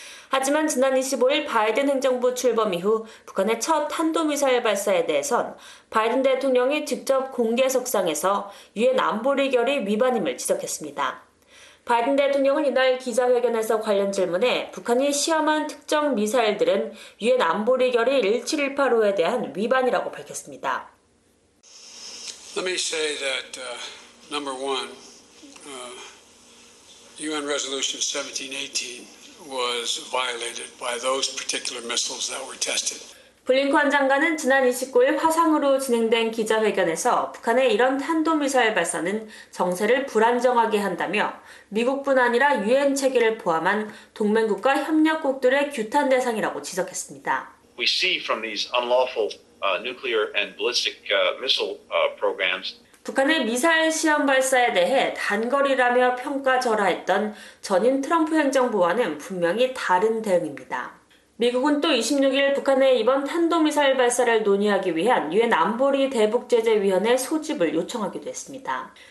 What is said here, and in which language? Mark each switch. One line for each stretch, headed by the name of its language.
Korean: 하지만 지난 25일 바이든 행정부 출범 이후 북한의 첫 탄도미사일 발사에 대해선 바이든 대통령이 직접 공개석상에서 유엔 안보리 결의 위반임을 지적했습니다. 바이든 대통령은 이날 기자회견에서 관련 질문에 북한이 시험한 특정 미사일들은 유엔 안보리 결의 1718호에 대한 위반이라고 밝혔습니다.
English: Let me say that, number one, UN Resolution 1718 was violated by those particular missiles that were tested.
Korean: 블링컨 장관은 지난 29일 화상으로 진행된 기자회견에서 북한의 이런 탄도미사일 발사는 정세를 불안정하게 한다며 미국뿐 아니라 UN 체계를 포함한 동맹국과 협력국들의 규탄 대상이라고 지적했습니다.
English: We see from these unlawful nuclear and ballistic missile programs.
Korean: 북한의 미사일 시험 발사에 대해 단거리라며 평가절하했던 전임 트럼프 행정부와는 분명히 다른 대응입니다. 미국은 또 26일 북한의 이번 탄도미사일 발사를 논의하기 위한 유엔 안보리 대북제재위원회 소집을 요청하기도 했습니다.